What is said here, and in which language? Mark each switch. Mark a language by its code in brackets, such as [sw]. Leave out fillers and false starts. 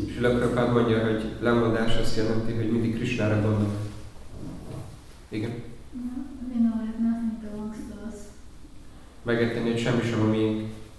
[hu] Srila Prabhupada mondja, hogy lemondás azt jelenti, hogy mindig Krishnára gondolunk. Igen. [en] No, we know that nothing belongs to us. [hu] Megérteni, hogy semmi sem a miénk.